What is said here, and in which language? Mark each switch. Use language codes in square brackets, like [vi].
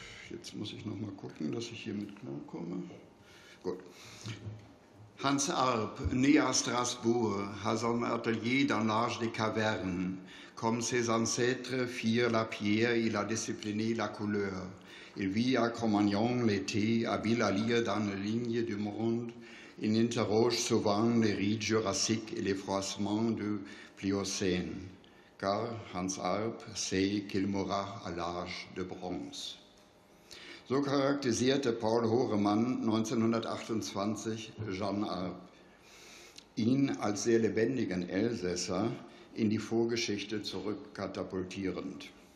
[de] Jetzt muss ich noch mal gucken, dass ich hier mit klar komme. Gut. [fr] Hans Arp, né à Strasbourg, à son atelier dans l'âge des cavernes, comme ses ancêtres firent la pierre et la discipline la couleur. Il vit à Cro-Magnon l'été, habile à lire dans les lignes du monde, il interroge souvent les rides jurassiques et les froissements du Pliocène, car Hans Arp sait qu'il mourra à l'âge de bronze. [de] So charakterisierte Paul Horemann 1928 Jean Arp, ihn als sehr lebendigen Elsässer in die Vorgeschichte zurückkatapultierend.